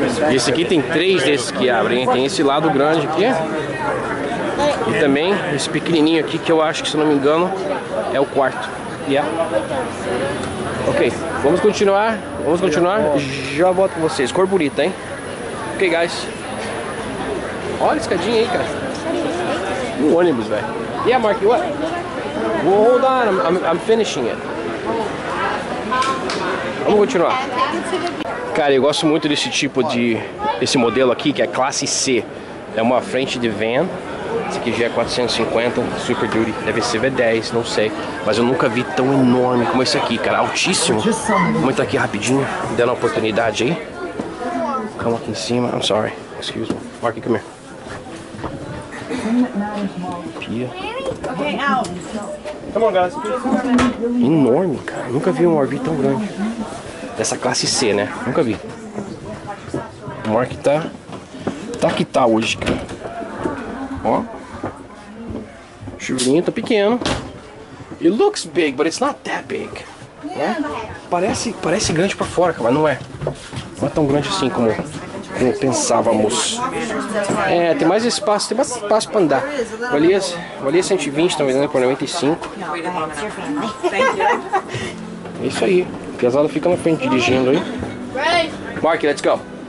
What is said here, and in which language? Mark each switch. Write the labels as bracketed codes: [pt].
[pt] E esse aqui tem três desses que abrem. Tem esse lado grande aqui. E também esse pequenininho aqui que eu acho que, se não me engano, é o quarto. Yeah. Ok, vamos continuar. Vamos continuar. Já volto com vocês. Cor bonita, hein? [en] Ok, guys. [pt] Olha a escadinha aí, cara. Um ônibus, velho. [en] Yeah, Marky, what? Well, hold on, I'm finishing it. [pt] Vamos continuar. Cara, eu gosto muito desse tipo de... Esse modelo aqui, que é classe C. É uma frente de van. Esse aqui já é 450, Super Duty. Deve ser V10, não sei. Mas eu nunca vi tão enorme como esse aqui, cara. Altíssimo. Vamos entrar aqui rapidinho, dando a oportunidade aí. Calma aqui em cima. [en] I'm sorry. Excuse me. Mark, come here. [pt] Pia. [en] Come on, guys. [pt] Enorme, cara. Nunca vi um RV tão grande. Dessa classe C, né? Nunca vi. O Mark tá. Tá que tá hoje, cara. Ó. Chuveirinho, tá pequeno. [en] It looks big, but it's not that big. [pt] Né? Parece grande pra fora, cara, mas não é. Não é tão grande assim como. Como pensávamos. É, tem mais espaço, tem mais espaço pra andar. Valia 120, tá vendendo por 95. É isso aí. Pesado fica na frente dirigindo aí. [en] Mark, let's go.